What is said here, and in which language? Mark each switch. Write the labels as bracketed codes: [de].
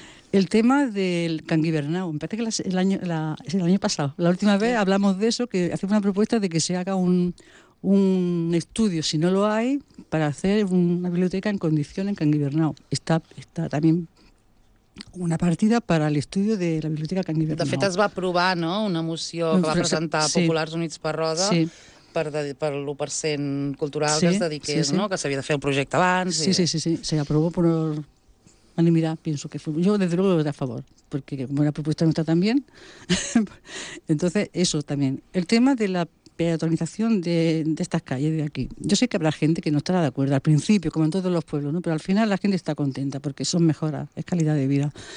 [es] El tema del Canguibernau, me parece que el año pasado, la última vez hablamos de eso, que hacemos una propuesta de que se haga un estudio, si no lo hay, para hacer una biblioteca en condiciones en Canguibernau. Está también una partida para el estudio de la biblioteca Canguibernau. [ca] De fet, es va aprovar, no?, una moció que va presentar Populars Units per Roda. Sí. Per l'1% cultural, sí, que es dediqués, sí, sí, no?, que s'havia de fer el projecte abans. [es] Sí, sí. Se aprovó por... Bueno, mira, pienso que fue... Yo, desde luego, lo voy a favor, porque como la propuesta no está tan bien. Entonces, eso también. El tema de la peatonización de estas calles de aquí. Yo sé que habrá gente que no estará de acuerdo al principio, como en todos los pueblos, ¿no? Pero al final la gente está contenta, porque son mejoras, es calidad de vida.